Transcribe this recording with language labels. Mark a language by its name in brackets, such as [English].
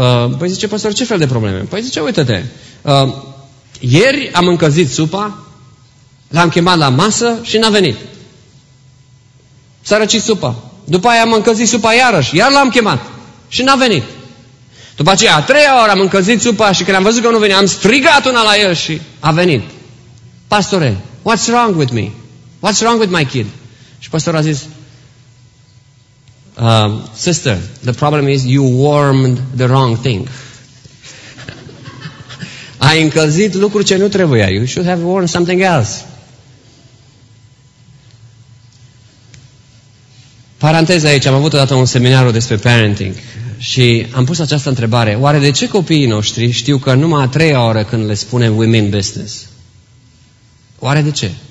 [Romanian] Păi zice păstor, ce fel de probleme? Păi zice, uite-te, ieri am încălzit supa, l-am chemat la masă și n-a venit. S-a răcit supa. După aia am încălzit supa iarăși, iar l-am chemat și n-a venit. După aceea, a treia oară am încălzit supa și când am văzut că nu vine, am strigat una la el și a venit. [English] Pastore, what's wrong with me? What's wrong with my kid? [Romanian] Și pastorul a zis, [English] sister, the problem is you warmed the wrong thing. [Romanian] Ai încălzit lucruri ce nu trebuia. [English] You should have warmed something else. [Romanian] Paranteza aici, am avut odată un seminar despre parenting și am pus această întrebare: oare de ce copiii noștri știu că numai a treia oră când le spunem [English] we mean business? [Romanian] Oare de ce?